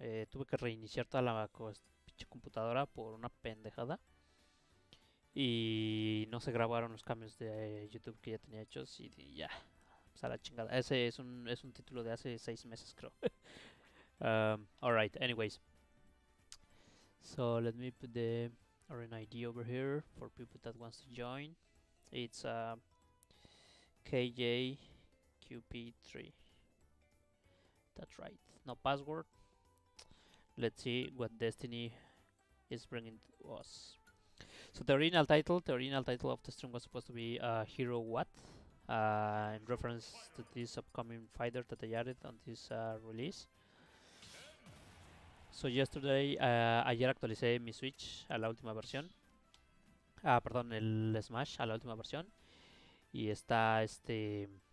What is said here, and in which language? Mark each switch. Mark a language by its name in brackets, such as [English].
[Spanish] Tuve que reiniciar toda la pinche computadora por una pendejada. Y no se grabaron los cambios de YouTube que ya tenía hechos. Y ya. Yeah. Pues a la chingada. Ese es un título de hace 6 meses, creo. [English] Alright, anyways. So let me put the arena ID over here for people that wants to join. It's KJQP3. That's right. No password. Let's see what Destiny is bringing to us. So the original title of the stream was supposed to be Hero What, in reference to this upcoming fighter that they added on this release. So yesterday, [Spanish] ayer actualicé mi Switch a la última versión. Perdón, el Smash a la última versión. Y está este.